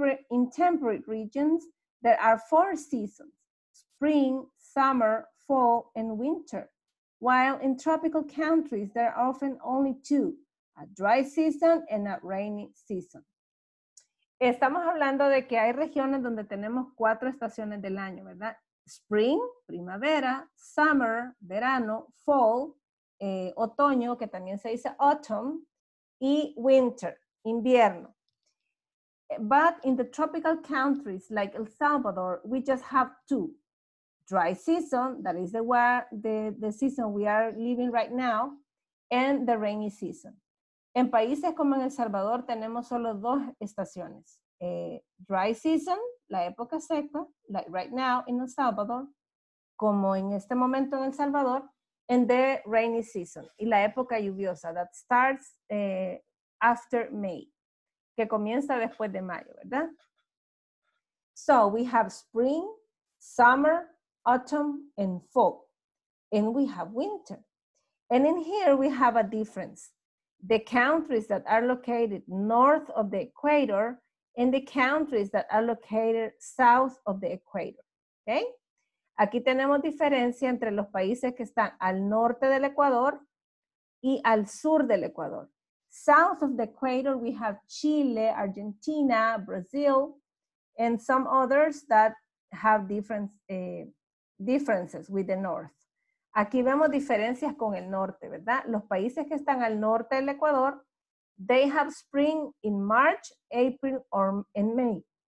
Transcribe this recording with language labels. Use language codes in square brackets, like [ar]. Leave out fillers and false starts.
[en] In temperate regions, there are four seasons, spring, summer, fall, and winter. While in tropical countries, there are often only two, a dry season and a rainy season. [es] Estamos hablando de que hay regiones donde tenemos cuatro estaciones del año, ¿verdad? Spring, primavera, summer, verano, fall, otoño, que también se dice autumn, y winter, invierno. [en] But in the tropical countries like El Salvador, we just have two. Dry season, that is the season we are living right now, and the rainy season. [es] En países como en El Salvador tenemos solo dos estaciones. [en] Dry season, [es] la época seca, [en] like right now in El Salvador, [es] como en este momento en El Salvador, [en] and the rainy season, [es] y la época lluviosa, [en] that starts after May. [es] Que comienza después de mayo, ¿verdad? [en] So, we have spring, summer, autumn, and fall. And we have winter. And in here, we have a difference. The countries that are located north of the equator and the countries that are located south of the equator. ¿Okay? [es] Aquí tenemos diferencia entre los países que están al norte del Ecuador y al sur del Ecuador. [en] South of the equator, we have Chile, Argentina, Brazil, and some others that have differences with the north. [es] Aquí vemos diferencias con el norte, ¿verdad? Los países que están al norte del Ecuador, [en] they have spring in March, April, or in May.